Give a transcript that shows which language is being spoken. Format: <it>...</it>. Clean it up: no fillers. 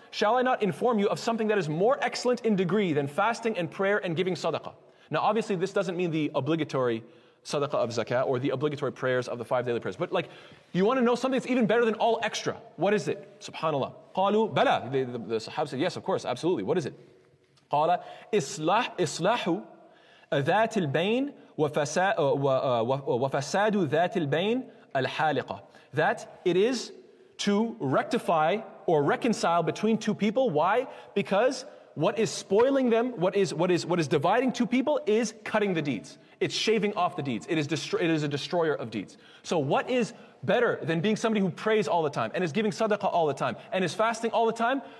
<en>Shall I not inform you of something that is more excellent in degree than fasting and prayer and giving sadaqah? Now, obviously, this doesn't mean the obligatory sadaqah of zakah or the obligatory prayers of the five daily prayers. But like, you want to know something that's even better than all extra. What is it? SubhanAllah.</en> <ar>قَالُوا بَلَا.</ar> <en>The sahab said, yes, of course, absolutely. What is it?</en> <ar>قال إصلاح ذات البين وفساد ذات البين الحالقة.</ar> <en>That it is to rectify or reconcile between two people. Why? Because what is spoiling them, what is dividing two people, is cutting the deeds. It's shaving off the deeds. It is a destroyer of deeds. So what is better than being somebody who prays all the time and is giving sadaqah all the time and is fasting all the time?</en>